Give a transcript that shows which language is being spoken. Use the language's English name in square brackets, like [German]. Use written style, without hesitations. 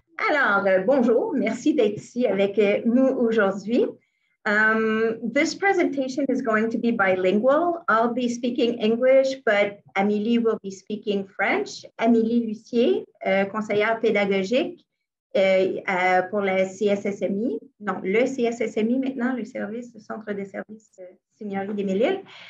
[French] Alors, bonjour, merci d'être ici avec nous aujourd'hui. [English] This presentation is going to be bilingual. I'll be speaking English, but Amélie will be speaking French. [French] Amélie Lussier, conseillère pédagogique pour la CSSMI, non, le CSSMI maintenant, le service, le centre de services Seigneurie des Mille-Îles.